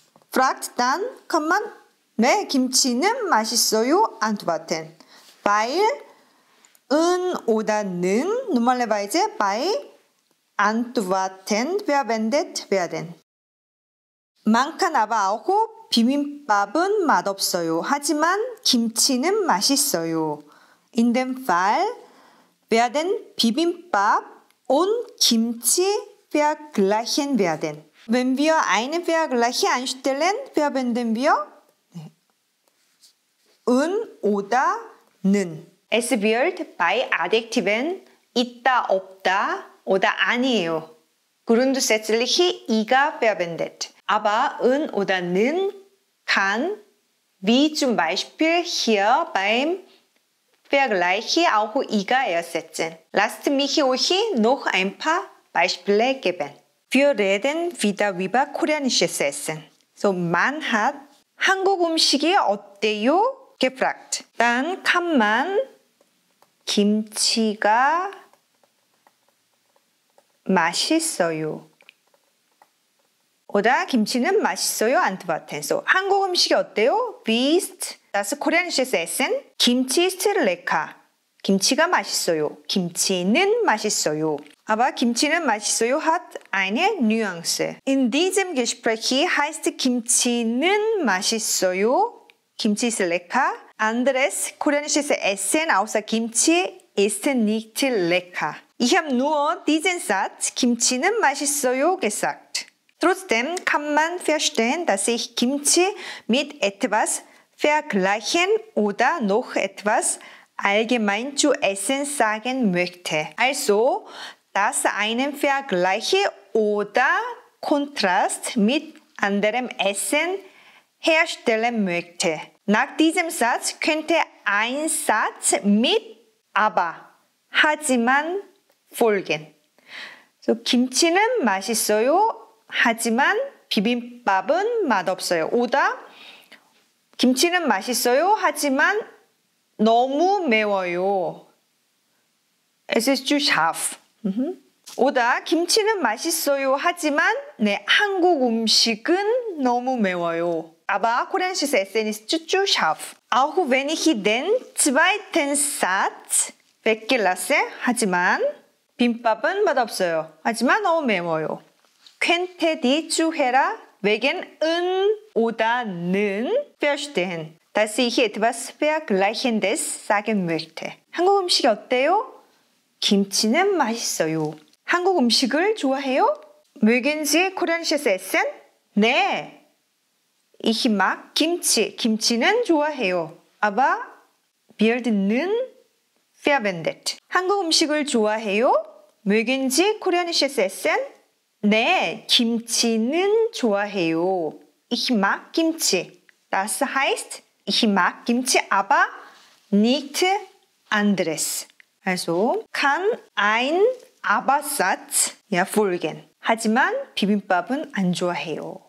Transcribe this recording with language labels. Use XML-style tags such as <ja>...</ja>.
<de>Fragt dann, kann man, 네,</de> <ko>김치는 맛있어요?</ko> <de>Antworten. Weil, 은 oder 는, normalerweise bei Antworten verwendet werden. Man kann aber auch</de> <ko>비빔밥은 맛없어요. 하지만, 김치는 맛있어요.</ko> <de>In dem Fall werden 비빔밥 und 김치 vergleichen werden. Wenn wir einen Vergleich einstellen, verwenden wir 은 oder 는. Es wird bei Adjektiven 있다, 없다 oder 아니에요. Grundsätzlich 이가 verwendet. Aber 은 oder 는 kann, wie zum Beispiel hier beim Vergleich, auch 이가 ersetzen. Lasst mich euch noch ein paar Beispiele geben. Wir reden wieder über koreanisches Essen. So, man hat</de> <ko>한국 음식이 어때요?</ko> <de>Gefragt. Dann kann man</de> <ko>김치가 맛있어요. Oder 김치는 맛있어요?</ko> <de>Antworten.</de> <ko>So, 한국 음식이 어때요?</ko> <de>Wie ist das koreanisches Essen? 김치 ist lecker.</de> <ko>김치가 맛있어요. 김치는 맛있어요.</ko> <de>Aber</de> <ko>김치는 맛있어요</ko> <de>hat eine Nuance. In diesem Gespräch heißt</de> <ko>김치는 맛있어요.</ko> <de>김치 ist lecker. Anderes koreanisches Essen außer 김치 ist nicht lecker. Ich habe nur diesen Satz,</de> <ko>김치는 맛있어요,</ko> <de>gesagt. Trotzdem kann man verstehen, dass ich Kimchi mit etwas vergleichen oder noch etwas allgemein zu essen sagen möchte. Also, dass einen Vergleich oder Kontrast mit anderem Essen herstellen möchte. Nach diesem Satz könnte ein Satz mit aber, 하지만 folgen.</de> <ko>So, 김치는 맛있어요. 하지만 비빔밥은 맛없어요. Oder 김치는 맛있어요. 하지만 너무 매워요.</ko> <de>Es ist zu scharf.</de> <ko>Oder 김치는 맛있어요. 하지만 네, 한국 음식은 너무 매워요.</ko> <de>Aber koreanisches Essen ist zu scharf. Auch wenn ich den zweiten Satz weggelasse,</de> <ko>하지만 비빔밥은 맛없어요. 하지만 너무 매워요.</ko> <de>Könnte die Zuhörer wegen 은 oder 는 verstehen, dass ich etwas Vergleichendes sagen möchte.</de> <ko>한국 음식이 어때요? 김치는 맛있어요. 한국 음식을 좋아해요?</ko> <de>Mögen Sie koreanisches Essen? 네. Ich mag Kimchi.</de> <ko>김치는 좋아해요.</ko> <de>Aber wird 는 verwendet.</de> <ko>한국 음식을 좋아해요?</ko> <de>Mögen Sie koreanisches Essen?</de> <ko>네, 김치는 좋아해요.</ko> <de>Ich mag Kimchi. Das heißt, ich mag Kimchi, aber nicht anderes. Also kann ein Aber-Satz ja folgen.</de> <ko>하지만 비빔밥은 안 좋아해요.</ko>